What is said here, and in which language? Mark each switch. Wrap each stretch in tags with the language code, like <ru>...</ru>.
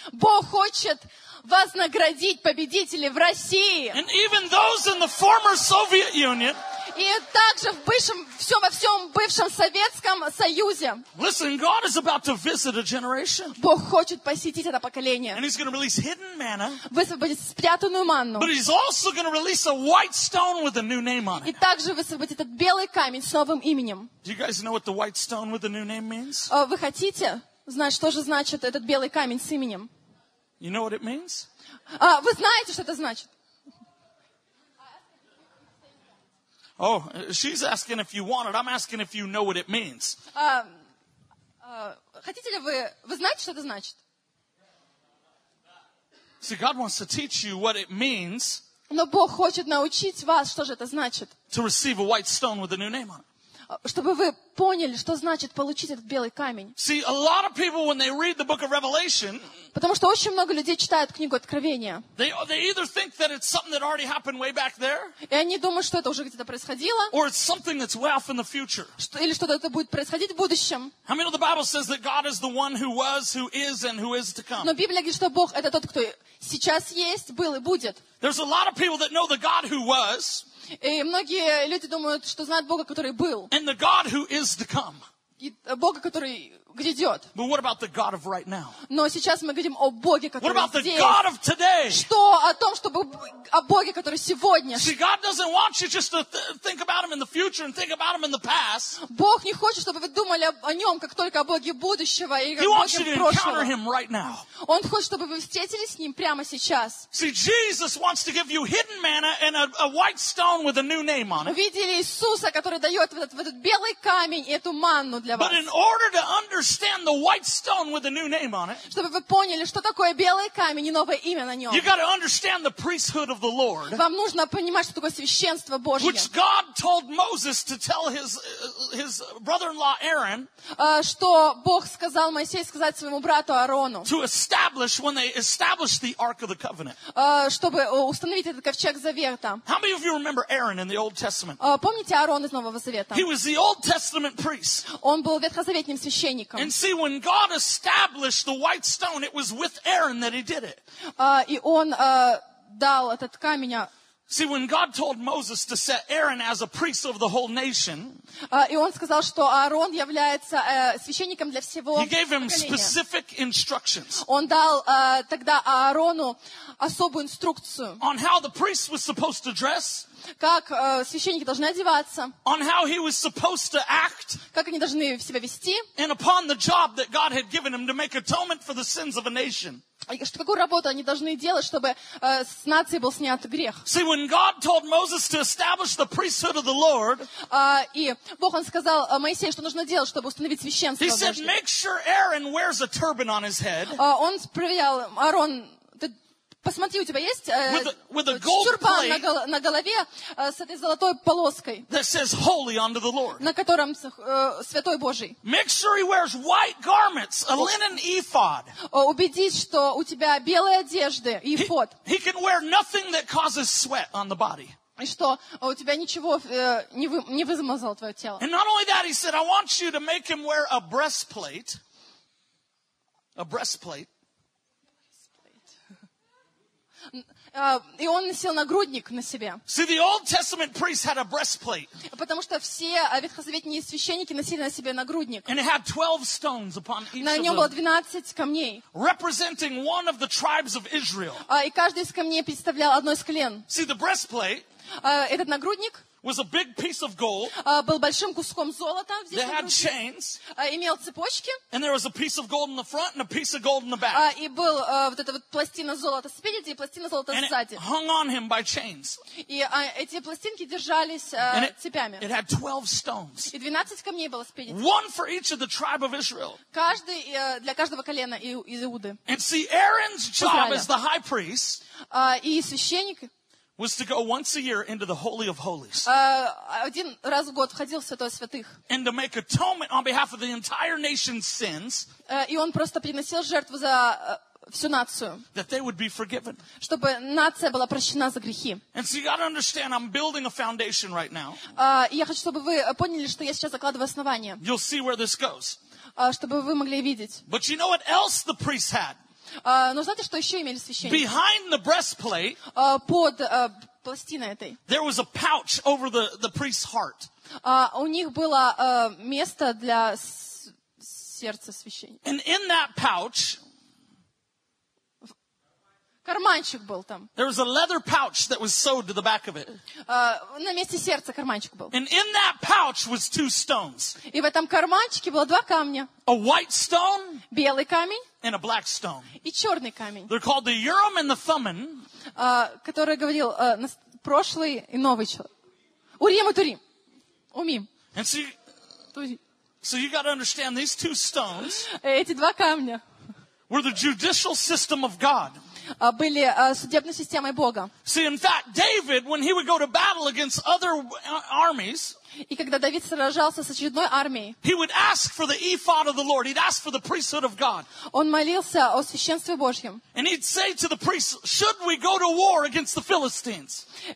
<ru>Бог хочет вознаградить победителей в России.</ru> <en>And even those in the former Soviet Union.</en> <ru>И также в бывшем, все во всем бывшем Советском Союзе.</ru> <en>Listen, God is about to visit a generation.</en> <ru>Бог хочет посетить это поколение.</ru> <en>And He's going to release hidden manna.</en> <ru>Высвободит спрятанную манну.</ru> <en>But He's also going to release a white stone with a new name on it.</en> <ru>И также высвободит этот белый камень с новым именем.</ru> <en>Do you guys know what the white stone with the new name means?</en> <ru>Вы хотите знать, что же значит этот белый камень с именем?</ru> <en>You know what it means?</en> <ru>Вы знаете, что это значит?</ru> <en>Oh, she's asking if you want it. I'm asking if you know what it means.</en> <ru>Хотите ли вы знаете, что это значит?</ru> <en>See, God wants to teach you what it means.</en> <ru>Но Бог хочет научить вас, что же это значит.</ru> <en>To receive a white stone with a new name on it.</en> <ru>Чтобы вы поняли, что значит получить этот белый камень.</ru> <en>See, a lot of people, when they read the book of Revelation,</en> <ru>потому что очень много людей читают книгу Откровения.</ru> <en>They either think that it's something that already happened way back there,</en> <ru>и они думают, что это уже где-то происходило,</ru> <en>or it's something that's way off in the future.</en> <ru>Или что-то это будет происходить в будущем.</ru> <en>How many of the Bible says that God is the one who was, who is, and who is to come?</en> <ru>Но Библия говорит, что Бог — это тот, кто сейчас есть, был и будет.</ru> <en>There's a lot of people that know the God who was.</en> <ru>И многие люди думают, что знают Бога, который был.</ru> <en>And the God who is to come.</en> <ru>И Бога, который грядет.</ru> <en>But what about the God of right now?</en> <ru>Но сейчас мы говорим о Боге, который</ru> <en>what about</en> <ru>здесь.</ru> <en>The God of today?</en> <ru>Что о том, чтобы о Боге, который сегодня.</ru> <en>See, God doesn't want you just to think about him in the future and think about him in the past.</en> <ru>Бог не хочет, чтобы вы думали о нем, как только о Боге будущего и о Боге прошлого.</ru> <en>He wants you to encounter him right now.</en> <ru>Он хочет, чтобы вы встретились с ним прямо сейчас.</ru> <en>See, Jesus wants to give you hidden manna and a white stone with a new name on it.</en> <ru>Видели Иисуса, который дает этот белый камень и эту манну для вас.</ru> <en>But in order to understand the white stone with a new name on it,</en> <ru>чтобы вы поняли, что такое белый камень и новое имя на нем,</ru> <en>you got to understand the priesthood of the Lord.</en> <ru>Вам нужно понимать, что такое священство Божье.</ru> <en>Which God told Moses to tell his brother-in-law Aaron.</en> <ru>Что Бог сказал Моисею сказать своему брату Аарону.</ru> <en>To establish when they established the Ark of the Covenant.</en> <ru>Чтобы установить этот ковчег завета.</ru> <en>How many of you remember Aaron in the Old Testament?</en> <ru>Помните Аарон из Нового Завета?</ru> <en>He was the Old Testament priest.</en> <ru>Он был ветхозаветным священником.</ru> <en>And see, when God established the white stone, it was with Aaron that he did it.</en> <ru>И он дал этот камень.</ru> <en>See, when God told Moses to set Aaron as a priest of the whole nation,</en> <ru>и он сказал, что Аарон является священником для всего поколения.</ru> <en>He gave him specific instructions.</en> <ru>Он дал тогда Аарону особую инструкцию.</ru> <en>On how the priest was supposed to dress.</en> <ru>Как священники должны одеваться.</ru> <en>On how he was supposed to act.</en> <ru>Как они должны себя вести.</ru> <en>And upon the job that God had given him to make atonement for the sins of a nation.</en> <ru>Что, какую работу они должны делать, чтобы с нации был снят грех.</ru> <en>See, when God told Moses to establish the priesthood of the Lord,</en> <ru>и Бог, он сказал Моисею, что нужно делать, чтобы установить священство Божье.</ru> <en>He said, make sure Aaron wears a turban on his head.</en> <ru>Он проверял, Аарон, посмотри, у тебя есть тюрбан на голове с этой золотой полоской,</ru> <en>that says holy unto the Lord.</en> <ru>На котором святой Божий.</ru> <en>Make sure he wears white garments, a linen ephod.</en> <ru>Убедись, что у тебя белые одежды, ephod.</ru> <en>He can wear nothing that causes sweat on the body.</en> <ru>И что у тебя ничего не вымазало твое тело.</ru> <en>And not only that, he said, I want you to make him wear a breastplate. A breastplate.</en> <ru>И он носил нагрудник на себе.</ru> <en>See, the Old Testament priest had a breastplate.</en> <ru>Потому что все ветхозаветные священники носили на себе нагрудник.</ru> <en>And it had 12 stones upon each of them.</en> <ru>На нем было 12 камней.</ru> <en>Representing one of the tribes of Israel.</en> <ru>И каждый из камней представлял одно из колен.</ru> <en>See, the breastplate.</en> <ru>Этот нагрудник.</ru> <en>Was a big piece of gold.</en> <ru>Был большим куском золота.</ru> <en>They had chains.</en> <ru>Имел цепочки.</ru> <en>And there was a piece of gold in the front and a piece of gold in the back.</en> <ru>И был вот эта вот пластина золота спереди и пластина золота</ru> <en>and</en> <ru>сзади.</ru> <en>It hung on him by chains.</en> <ru>И эти пластинки держались цепями.</ru> <en>It had 12 stones.</en> <ru>И 12 камней было спереди.</ru> <en>One for each of the tribe of Israel.</en> <ru>Каждый для каждого колена из Иуды.</ru> <en>And see, Aaron's job as the high priest.</en> <ru>И священник.</ru> <en>Was to go once a year into the Holy of Holies.</en> <ru>Один раз в год входил в Святое Святых.</ru> <en>And to make atonement on behalf of the entire nation's sins.</en> <ru>И он просто приносил жертву за всю нацию.</ru> <en>That they would be forgiven.</en> <ru>Чтобы нация была прощена за грехи.</ru> <en>And so you gotta understand, I'm building a foundation right now.</en> <ru>Я хочу, чтобы вы поняли, что я сейчас закладываю основание.</ru> <en>You'll see where this goes.</en> <ru>Чтобы вы могли видеть.</ru> <en>But you know what else the priests had?</en> <ru>Но знаете, что еще имели священники?</ru> <en>Behind the breastplate,</en> <ru>под пластиной этой.</ru> <en>There was a pouch over the priest's heart.</en> <ru>У них было место для сердца священника.</ru> <en>And in that pouch,</en> <ru>карманчик был там.</ru> <en>There was a leather pouch that was sewed to the back of it.</en> <ru>На месте сердца карманчик был.</ru> <en>And in that pouch was two stones.</en> <ru>И в этом карманчике было два камня.</ru> <en>A white stone.</en> <ru>Белый камень.</ru> <en>And a black stone.</en> <ru>И черный камень.</ru> <en>They're called the Urim and the Thummim.</en> <ru>Который говорил прошлый и новый человек. Урим и Турим. Умим.</ru> <en>And so you got to understand these two stones.</en> <ru>Эти два камня.</ru> <en>Were the judicial system of God.</en> <ru>были судебной системой Бога.</ru> <en>See, in fact, David, when he would go to battle against other armies,</en> <ru>и когда Давид сражался с очередной армией,</ru> <en>he would ask for the ephod of the Lord. He'd ask for the priesthood of God.</en> <ru>Он молился о священстве Божьем.</ru> <en>And he'd say to the priests, "Should we go to war against the Philistines?"</en>